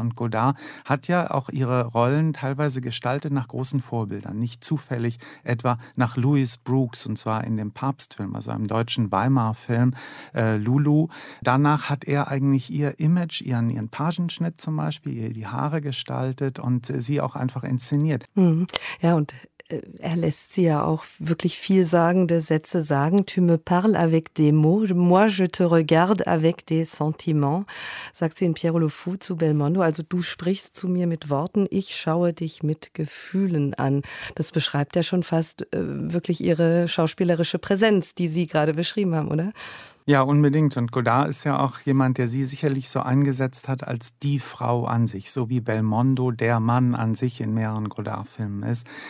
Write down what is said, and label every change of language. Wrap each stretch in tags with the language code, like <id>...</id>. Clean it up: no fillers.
<de>Und Godard hat ja auch ihre Rollen teilweise gestaltet nach großen Vorbildern, nicht zufällig etwa nach Louis Brooks und zwar in dem Papstfilm, also einem deutschen Weimar-Film Lulu. Danach hat er eigentlich ihr Image, ihren Pagenschnitt zum Beispiel, ihr die Haare gestaltet und sie auch einfach inszeniert. Ja, und er lässt sie ja auch wirklich vielsagende Sätze sagen.</de> <fr>Tu me parles avec des mots, moi je te regarde avec des sentiments,</fr> <de>sagt sie in Pierrot le Fou zu Belmondo. Also du sprichst zu mir mit Worten, ich schaue dich mit Gefühlen an. Das beschreibt ja schon fast wirklich ihre schauspielerische Präsenz, die Sie gerade beschrieben haben, oder? Ja, unbedingt. Und Godard ist ja auch jemand, der sie sicherlich so eingesetzt hat als die Frau an sich, so wie Belmondo der Mann an sich in mehreren Godard-Filmen ist.</de>